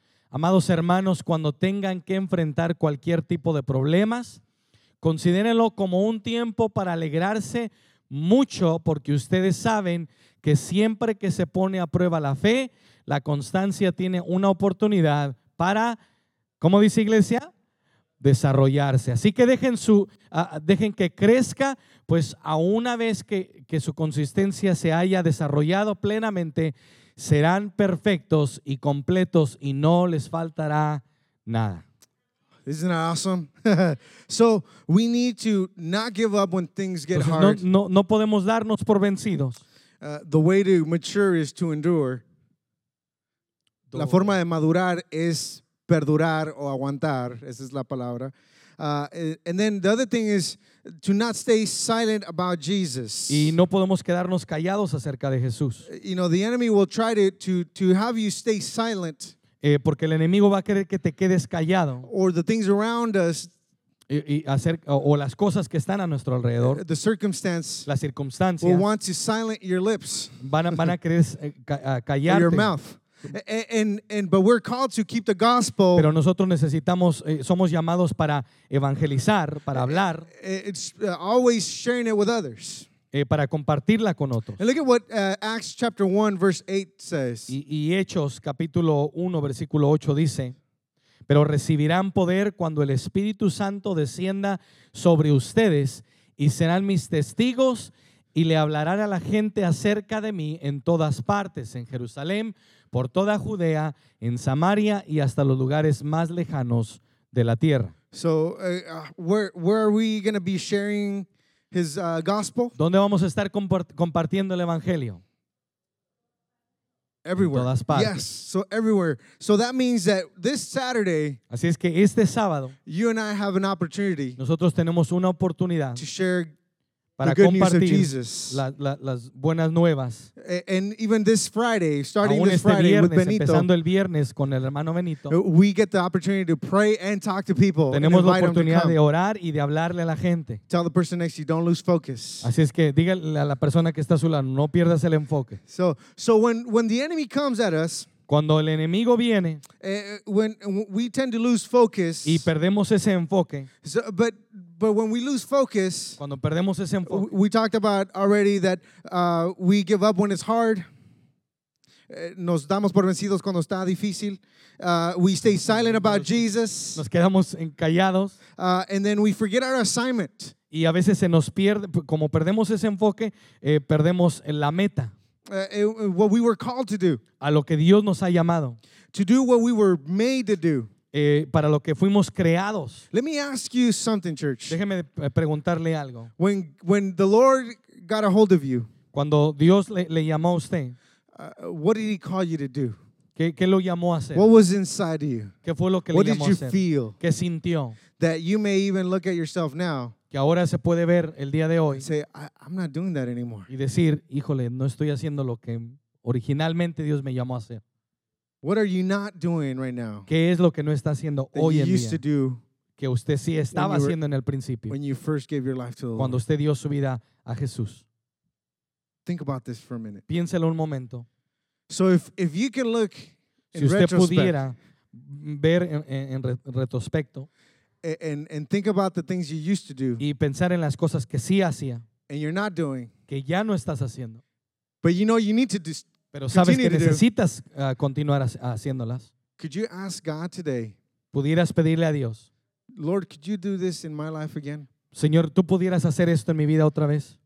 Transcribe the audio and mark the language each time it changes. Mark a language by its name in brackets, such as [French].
[Spanish] Amados hermanos, cuando tengan que enfrentar cualquier tipo de problemas, considérenlo como un tiempo para alegrarse mucho, porque ustedes saben que siempre que se pone a prueba la fe, la constancia tiene una oportunidad para, ¿cómo dice iglesia? Desarrollarse. Así que dejen que crezca, pues a una vez que su consistencia se haya desarrollado plenamente, serán perfectos y completos y no les faltará nada. [English] Isn't that awesome? So we need to not give up when things get hard. [Spanish] No podemos darnos por vencidos. [English] The way to mature is to endure. [Spanish] La forma de madurar es perdurar o aguantar, esa es la palabra. [English] And then the other thing is to not stay silent about Jesus. [Spanish] Y no podemos quedarnos callados acerca de Jesús. [English] You know, the enemy will try to have you stay silent. [Spanish] Porque el enemigo va a querer que te quedes callado. [English] Or the things around us. [Spanish] O las cosas que están a nuestro alrededor. [English] The circumstance. [Spanish] Las circunstancias. [English] Will want to silence your lips. [Spanish] Van a querer callarte. [English] Or your mouth. And but we're called to keep the gospel. [Spanish] Pero nosotros necesitamos, somos llamados para evangelizar, para hablar. [English] It's always sharing it with others. [Spanish] Para compartirla con otros. [English] And look at what Acts chapter 1 verse 8 says. [Spanish] Y Hechos capítulo 1 versículo 8 dice, pero recibirán poder cuando el Espíritu Santo descienda sobre ustedes y serán mis testigos y le hablarán a la gente acerca de mí en todas partes, en Jerusalén, por toda Judea, en Samaria y hasta los lugares más lejanos de la tierra. [English] So, where are we going to be sharing his gospel? [Spanish] ¿Dónde vamos a estar compartiendo el evangelio? [English] Everywhere. [Spanish] En todas partes. [English] Yes, so everywhere. So that means that this Saturday, [Spanish] así es que este sábado, [English] you and I have an opportunity. [Spanish] Nosotros tenemos una oportunidad [English] to share [Spanish] para compartir las buenas nuevas. [English] And even this Friday, starting [Spanish] aún [English] this Friday [Spanish] viernes, [English] with Benito, [Spanish] empezando el viernes con el hermano Benito, [English] we get the opportunity to pray and talk to people. [Spanish] Tenemos la oportunidad de orar y de hablarle a la gente. [English] Tell the person next to you, don't lose focus. [Spanish] Así es que dígale a la persona que está a su lado, no pierdas el enfoque. [English] So when the enemy comes at us, [Spanish] cuando el enemigo viene, [English] when we tend to lose focus, [Spanish] y perdemos ese enfoque, [English] so, but when we lose focus, [Spanish] cuando perdemos ese enfoque, [English] we talked about already that we give up when it's hard. [Spanish] Nos damos por vencidos cuando está difícil. [English] We stay silent about Jesus. [Spanish] Nos quedamos callados. [English] And then we forget our assignment. [Spanish] Y a veces se nos pierde, como perdemos ese enfoque, perdemos la meta. [English] What we were called to do. [Spanish] A lo que Dios nos ha llamado. [English] To do what we were made to do. [Spanish] Para lo que fuimos creados. [English] Let me ask you something, church. [Spanish] Déjeme preguntarle algo. [English] When the Lord got a hold of you. [Spanish] Cuando Dios le llamó a usted. [English] What did he call you to do? [Spanish] ¿Qué lo llamó a hacer? [English] What was inside of you? [Spanish] ¿Qué fue lo que [English] what [Spanish] le llamó [English] did you [Spanish] a hacer? [English] Feel? [Spanish] ¿Qué sintió? [English] That you may even look at yourself now. [Spanish] Que ahora se puede ver el día de hoy. [English] Say, I'm not doing that anymore. [Spanish] Y decir, híjole, no estoy haciendo lo que originalmente Dios me llamó a hacer. [English] What are you not doing right now? [Spanish] ¿Qué es lo que no está haciendo hoy en día? [English] That you used to do. [Spanish] Que usted sí estaba haciendo en el principio. [English] When you first gave your life to the Lord. [Spanish] Cuando usted dio su vida a Jesús. [English] Think about this for a minute. [Spanish] Piénselo un momento. [English] So if you can look [Spanish] si usted pudiera ver en retrospecto. [English] And think about the things you used to do. [Spanish] Y pensar en las cosas que sí hacía. [English] And you're not doing. [Spanish] Que ya no estás haciendo. [English] But you know you need to do. [Spanish] Pero sabes que necesitas continuar haciéndolas. [English] Could you ask God today? [Spanish] ¿Pudieras pedirle a Dios? [English] Lord, could you do this in my life again? [Spanish] Señor, ¿tú pudieras hacer esto en mi vida otra vez?